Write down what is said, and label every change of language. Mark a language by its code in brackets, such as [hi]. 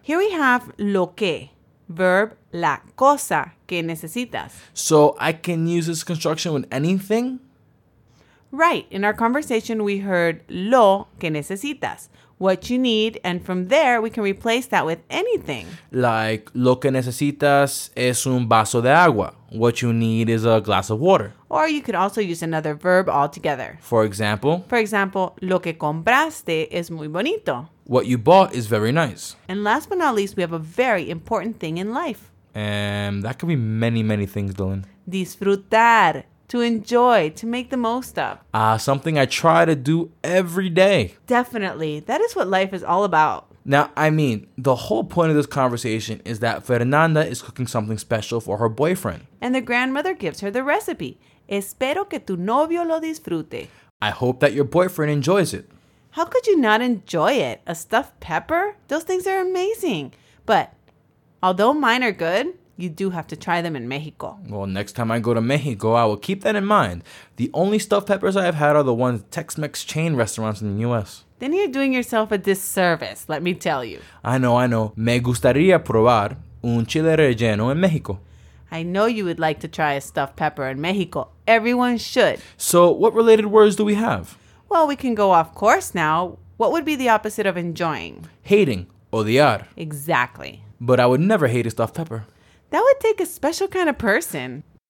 [en] Here we have [es] lo que, verb la cosa que necesitas. [en] So I can use this construction with anything? Right. In our conversation, we heard [es] lo que necesitas, [en] what you need, and from there, we can replace that with anything. [es] Like, lo que necesitas es un vaso de agua. [en] What you need is a glass of water. Or you could also use another verb altogether. For example, [es] lo que compraste es muy bonito. [en] What you bought is very nice. And last but not least, we have a very important thing in life. And that could be many, many things, Dylan. Disfrutar. To enjoy, to make the most of. Something I try to do every day. Definitely. That is what life is all about. Now, I mean, the whole point of this conversation is that Fernanda is cooking something special for her boyfriend. And the grandmother gives her the recipe. [es] Espero que tu novio lo disfrute. [en] I hope that your boyfriend enjoys it. How could you not enjoy it? A stuffed pepper? Those things are amazing. But although mine are good, you do have to try them in Mexico. Well, next time I go to Mexico, I will keep that in mind. The only stuffed peppers I have had are the ones at Tex-Mex chain restaurants in the U.S. Then you're doing yourself a disservice, let me tell you. I know. [es] Me gustaría probar un chile relleno en Mexico. [en] I know you would like to try a stuffed pepper in Mexico. Everyone should. So, what related words do we have? Well, we can go off course now. What would be the opposite of enjoying? Hating. Odiar. Exactly. But I would never hate a stuffed pepper. That would take a special kind of person.